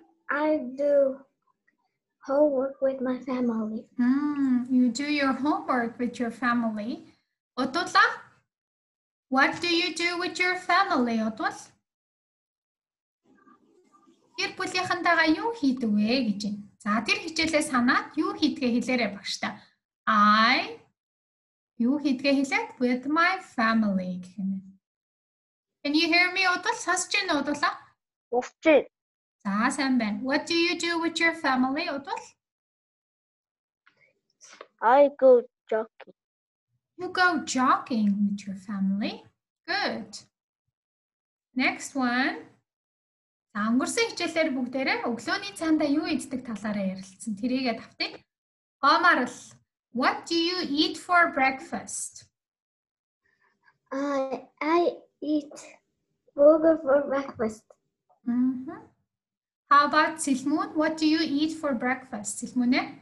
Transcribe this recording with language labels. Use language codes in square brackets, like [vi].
[en] I do homework with my family. You do your homework with your family. Ototla, what do you do with your family, Otos? [mn] Тэр бүлийнхэндээ юу хийдэг вэ гэж байна. За тэр хичээлээ санаад юу хийдгээ хэлээрэй багш та. [en] I [mn] юу хийдгээ хэлээд [en] with my family. Can you hear me, Otos? [mn] Сонсож байна уу, Otos? Сонсож байна. За сайн байна. [en] What do you do with your family, Otos? I go jogging. You go jogging with your family. Good. Next one. [mn] За өнгөрсөн хичээлээр бүгдээрээ өглөөний цанда юу иддэг талаараа ярилцсан. Тэрийгээ давтыг. Гомарл. [en] What do you eat for breakfast? I eat burger for breakfast. How about Silmoon? What do you eat for breakfast, Silmoon?